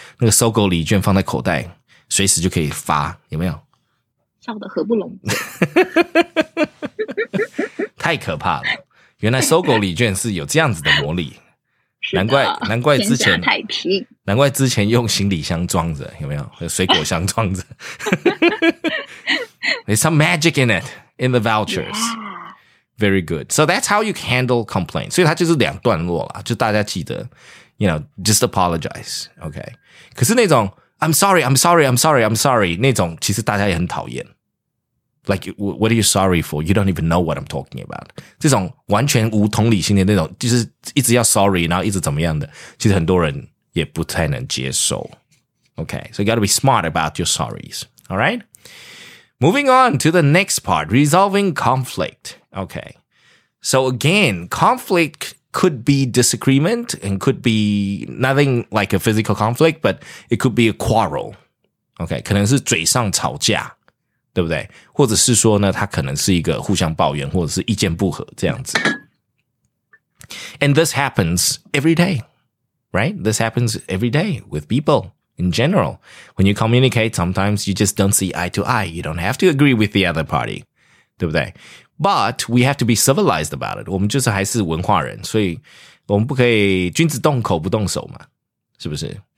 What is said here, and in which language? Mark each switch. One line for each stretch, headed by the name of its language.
Chinese: 那个搜狗礼券放在口袋，随时就可以发，有没有？笑得合不拢。太可怕了！原来搜狗礼券是有这样子的魔力，是的难怪之前天下太平，难怪之前用行李箱装着，有没有？有水果箱装着。
English: There's some magic in it in the vouchers.、 Yeah. Very good. So that's how you handle complaints.
Chinese: 所以它就是两段落啦，就大家记得
English: you know, just apologize. Okay.
Chinese: 可是那种
English: I'm sorry, I'm sorry,
Chinese: I'm sorry, I'm sorry, 那种其实大家也很讨厌。
English: Like, what are you sorry for? You don't even know what I'm talking about.
Chinese: 这种完全无同理心的那种就是一直要 sorry, 然后一直怎么样的其实很多人也不太能接受。
English: Okay. So you gotta be smart about your sorries. All right. Moving on to the next part, resolving conflict. Okay, so again, conflict could be disagreement and could be nothing like a physical conflict, but it could be a quarrel.
Chinese: Okay, 可能是嘴上吵架，对不对？或者是说呢，它可能是一个互相抱怨或者是意见不合这样子。
English: And this happens every day, right? This happens every day with people in general. When you communicate, sometimes you just don't see eye to eye. You don't have to agree with the other party,
Chinese: 对不对？
English: But we have to be civilized about it.
Chinese: 我们就是还是文化人，所以我们不可以君子动口不动手嘛，是不是？